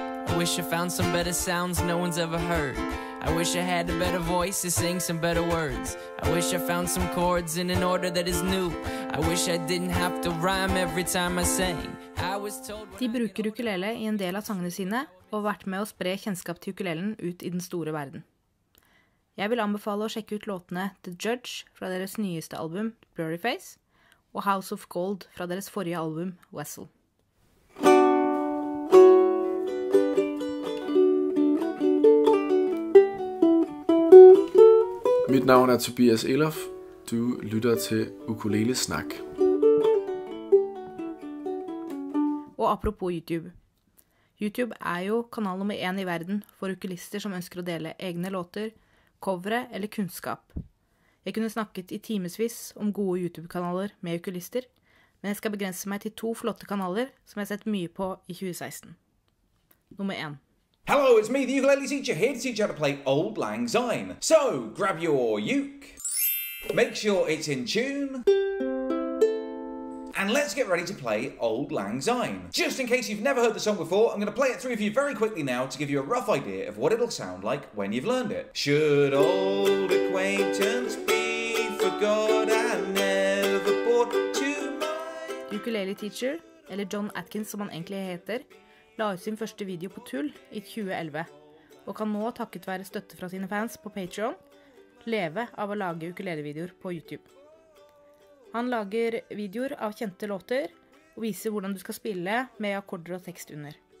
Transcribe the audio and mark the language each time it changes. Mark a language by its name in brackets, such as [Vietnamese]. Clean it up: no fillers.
[English] I wish I found some better sounds no one's ever heard. I wish I had a better voice to sing some better words. I wish I found some chords in an order that is new. I wish I didn't have to rhyme every time I sang. [Norwegian] De bruker ukulele i en del av sangene sine, og har vært med å spre kjennskap til ukulelen ut i den store verden. Jeg vil anbefale å sjekke ut låtene The Judge fra deres nyeste album, Blurry Face, og House of Gold fra deres forrige album, Wessel. Mitt navn Tobias Elof. Du lytter til Ukulele Snakk. Og apropos YouTube. YouTube jo kanal nummer én i verden for ukulister som ønsker å dele egne låter, covere eller kunnskap. Jeg kunne snakket i timesvis om gode YouTube-kanaler med ukulister, men jeg skal begrense meg til to flotte kanaler som jeg har sett mye på i 2016. Nummer 1. [English] Hello, it's me, the ukulele teacher, here to teach you how to play Auld Lang Syne. So, grab your uke, make sure it's in tune, and let's get ready to play Auld Lang Syne. Just in case you've never heard the song before, I'm going to play it through for you very quickly now to give you a rough idea of what it'll sound like when you've learned it. Should old acquaintance be forgot and never brought to mind. [Norwegian] Ukulele teacher, eller John Atkins som han egentlig heter, la ut sin første video på tull i 2011, og kan nå takket være støtte fra sine fans på Patreon leve av å lage ukulelevideoer på YouTube. Han lager videoer av kjente låter og viser hvordan du skal spille med akkorder og tekst under.